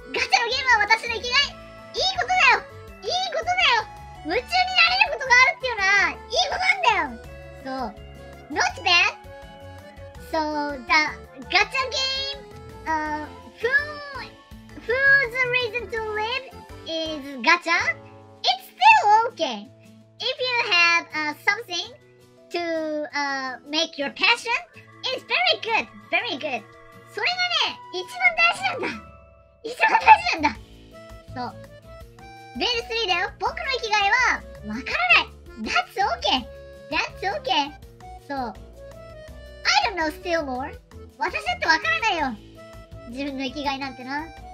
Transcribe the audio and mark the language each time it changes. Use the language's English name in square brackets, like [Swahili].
[Japanese] ガチャのゲームは私の生きがい!いいことだよ! 夢中になれることがあるっていうのは、いいことなんだよ! [English] そう。Not bad! So, the gacha game, who's reason to live is gacha? It's still okay! If you have something to make your passion, it's very good! [Japanese] それがね、一番大事なんだ!そう。ベール3だよ。僕の生きがいは、わからない。 [English] That's okay! そう。I don't know still more. [Japanese] 私だってわからないよ。自分の生きがいなんてな。